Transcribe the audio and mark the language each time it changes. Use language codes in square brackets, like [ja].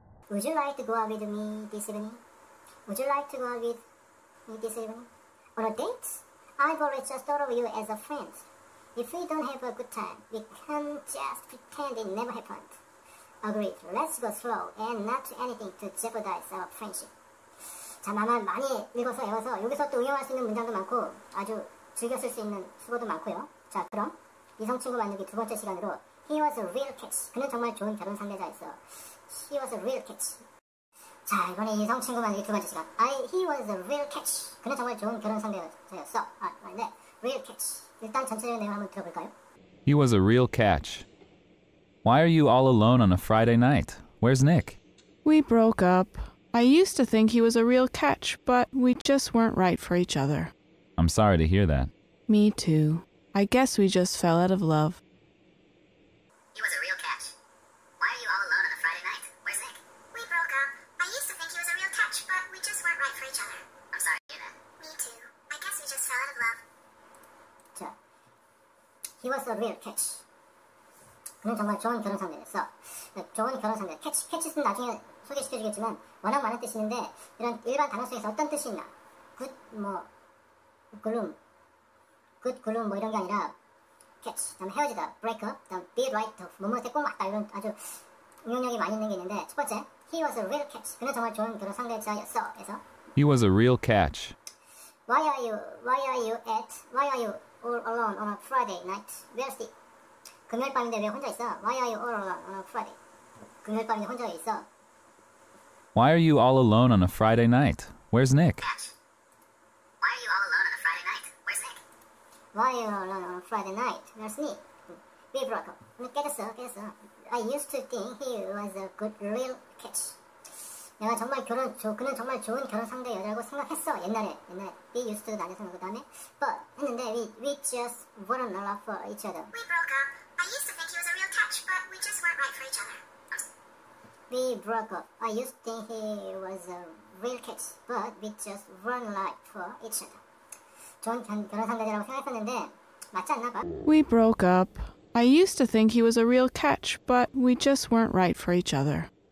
[en] Would you like to go out with me this evening? Would you like to go out with me this evening? On a date? I've always just thought of you as a friend. If we don't have a good time, we can just pretend it never happened. Agreed. Let's go slow and not do anything to jeopardize our friendship. [ko] 자, 만화 많이 읽어서 외워서 여기서 또 응용할 수 있는 문장도 많고 아주 즐겨 쓸 수 있는 수고도 많고요. 자, 그럼 이성 친구 만들기 두 번째 시간으로 [en] He was a real catch. [ko] 그는 정말 좋은 결혼 상대자였어. [en] He was a real catch. [ko] 자, 이번에 이성 친구 만들기 두 번째 시간. [en] He was a real catch. [ko] 그는 정말 좋은 결혼 상대자였어. 아, 맞네. Real catch. 일단 전체적인 내용 한번 들어볼까요? [en] He was a real catch. Why are you all alone on a Friday night? Where's Nick? We broke up. I used to think he was a real catch, but we just weren't right for each other. I'm sorry to hear that. Me too. I guess we just fell out of love. He was a real catch. Why are you all alone on a Friday night? Where's Nick? We broke up. I used to think he was a real catch, but we just weren't right for each other. I'm sorry to hear that. Me too. I guess we just fell out of love. 자, he was a real catch. [ko] 그는 정말 좋은 결혼 상대였어. 좋은 결혼 상대. Catch, catch는 나중에 소개시켜주겠지만 워낙 많은 뜻이 있는데 이런 일반 단어 속에서 어떤 뜻이 있나? Good, 뭐, gloom. Good, gloom 뭐 이런 게 아니라 catch, 다음에 헤어지다, break up, 다음 be right, 뭐뭐한테 꼭 맞다 이런 아주 응용력이 많이 있는 게 있는데 첫 번째, [en] he was a real catch. [ko] 그는 정말 좋은 결혼 상대였어. 그래서 [en] he was a real catch. Why are you all alone on a Friday night? Where's he? [ko] 금요일 밤인데 왜 혼자 있어? [en] Why are you all alone on a Friday? [ko] 금요일 밤인데 혼자 있어? [en] Why are you all alone on a Friday night? Where's Nick? Catch. Why are you all alone on a Friday night? Where's Nick? Why are you all alone on a Friday night? Where's Nick? We broke up. [ko] 깨졌어, 깨졌어. [en] I used to think he was a good real catch. [ko] 내가 정말 결혼 그는 정말 좋은 결혼 상대 여자라고 생각했어 옛날에 we used to 나대서 그 다음에 but 했는데 [en] we just weren't enough for each other. We broke up. I used to think he was a real catch, but we just weren't right for each other. We broke up. I used to think he was a real catch, but we just weren't right for each other. [ko] 좋은 결혼 상대라고 생각했었는데 맞지 않나 봐. [en] We broke up. I used to think he was a real catch, but we just weren't right for each other.